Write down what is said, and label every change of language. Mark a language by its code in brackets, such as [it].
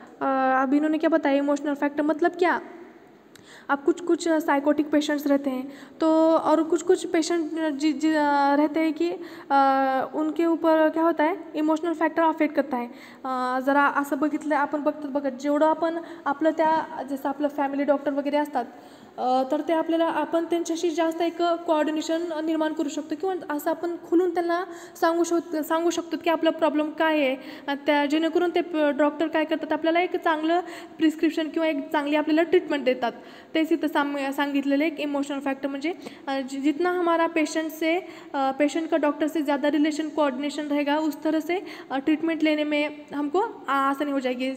[hi] अब इन्होंने क्या बताया इमोशनल फैक्टर मतलब क्या. अब कुछ साइकोटिक पेशेंट्स रहते हैं तो और कुछ पेशेंट रहते हैं कि उनके ऊपर क्या होता है इमोशनल फैक्टर अफेक्ट करता है. [mr] जरा असं बघितलं आपण बघत जेवढं आपण आपलं त्या जसं आपलं फॅमिली डॉक्टर वगैरे असतात तर ते आपल्याला आपण त्यांच्याशी जास्त एक कोऑर्डिनेशन निर्माण करू शकतो किंवा असं आपण खुलून त्यांना सांगू शकतो की आपला प्रॉब्लेम काय आहे त्या जेणेकरून ते डॉक्टर काय करतात आपल्याला एक चांगलं प्रिस्क्रिप्शन किंवा एक चांगली आपल्याला ट्रीटमेंट देतात. तेच इथं सांगितलेलं एक इमोशनल फॅक्टर म्हणजे [hi] जितना हमारा पेशंट का डॉक्टर से ज़्यादा रिलेशन कोऑर्डिनेशन रहेगा उस तरह से ट्रीटमेंट लेने में हमको आसानी हो जाएगी.